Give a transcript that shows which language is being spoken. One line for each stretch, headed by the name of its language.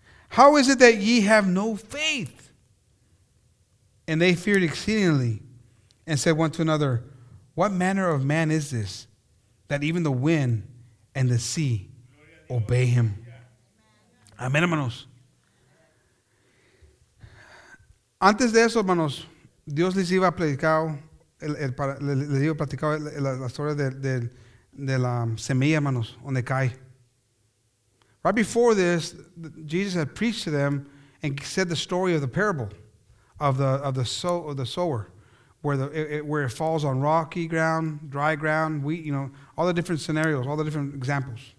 English: How is it that ye have no faith? And they feared exceedingly and said one to another, what manner of man is this, that even the wind and the sea obey him?
Spanish: Amén, hermanos. Antes de eso, hermanos, Dios les iba a platicar, la historia de la semilla, hermanos, donde cae.
English: Right before this, Jesus had preached to them and said the story of the parable of the sower, where it falls on rocky ground, dry ground, wheat, you know, all the different scenarios, all the different examples.